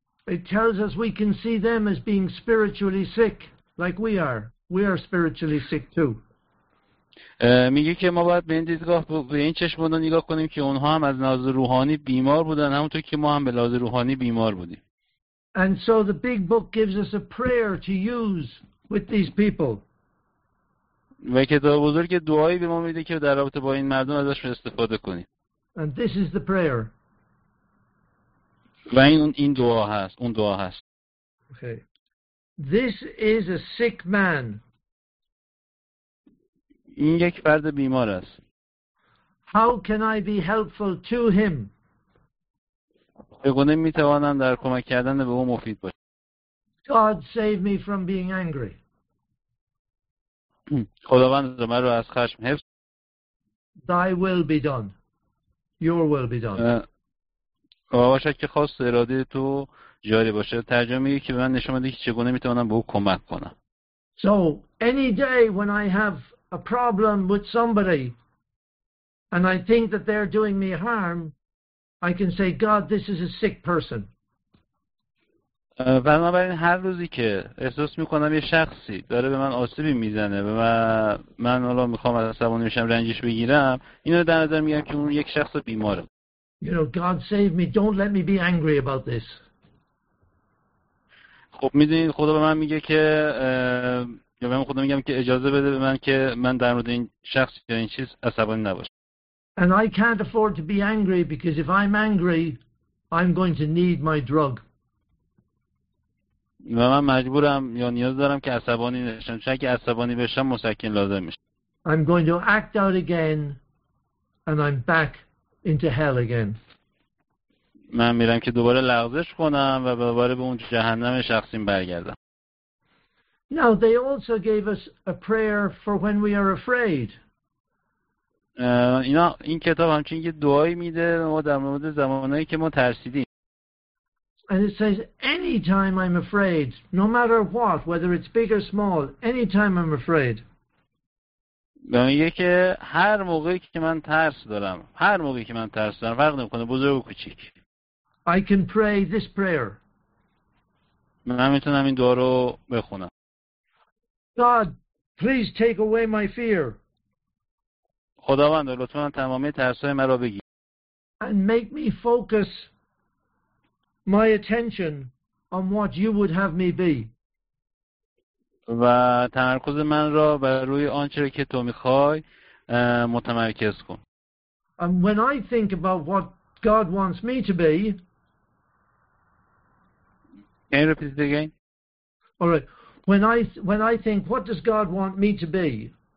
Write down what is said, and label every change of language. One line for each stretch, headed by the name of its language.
English: It tells us we can see them as being spiritually sick like we are. We are spiritually sick too.
Persian: میگه که ما باید به این دیدگاه به این چشم بودن نگاه کنیم که اونها هم از لحاظ روحانی بیمار بودن همونطور که ما هم به لحاظ روحانی بیمار بودیم.
English: And so the big book gives us a prayer to use with these people.
Persian: و کتاب بزرگ دعایی به ما میده که در رابطه با این مردم ازش استفاده کنیم.
English: And this is the prayer.
Persian: و این دعا هست. اون دعا هست.
English: Okay. This is a sick man.
Persian: این یک فرد بیمار است.
English: How can I be helpful to him?
Persian: چگونه می توانم در کمک کردن به او مفید باشم؟
English: God save me from being angry.
Persian: خداوند مرا از خشم حفظ.
English: Thy will be done. Your will be done.
Persian: باشد که خواست اراده تو جاری باشه. ترجمه میگه که به من نشون بده که چگونه می توانم به او کمک کنم.
English: So any day when I have a problem with somebody and I think that they're doing me harm, I can say, God, this is a sick person.
Persian: بنابراین هر روزی که احساس میکنم یه شخصی داره به من آسیبی میزنه و من حالا میخوام از عصبانی میشم رنجش بگیرم اینو در نظر میگم که اون یک شخص بیماره.
English: You know, God save me, don't let me be angry about this.
Persian: خب میدونید خدا به من میگه که یا من خودم میگم که اجازه بده به من که من در مورد این شخص یا این چیز عصبانی نباشم.
English: And I can't afford to be angry because if I'm angry, I'm going to need my drug.
Persian: و من مجبورم یا نیاز دارم که عصبانی نشم چون اگه عصبانی بشم مسکن لازم میشه.
English: I'm going to act out again and I'm back into hell again.
Persian: من میرم که دوباره لغزش کنم و دوباره به اون جهنم شخصیم برگردم.
English: Now they also gave us a prayer for when we are afraid.
Persian: این کتاب همچنین یه دعایی میده ما در مورد زمانایی که ما ترسیدیم.
English: And it says any time I'm afraid, no matter what, whether it's big or small, any time I'm afraid.
Persian: میگه که هر موقعی که من ترس دارم، هر موقعی که من ترس دارم، فرق نمیکنه بزرگ و کوچیک.
English: I can pray this prayer.
Persian: من میتونم این دعا رو بخونم.
English: God, please take away my fear.
Persian: خداوند لطفا تمامی ترسای مرا بگیر.
English: And make me focus my attention on what you would have me be.
Persian: و تمرکز من را بر روی آنچه که تو می‌خوای متمرکز کن.
English: And when I think about what God wants me to be. Can you repeat it again? All right. When I think, what does God want me to be?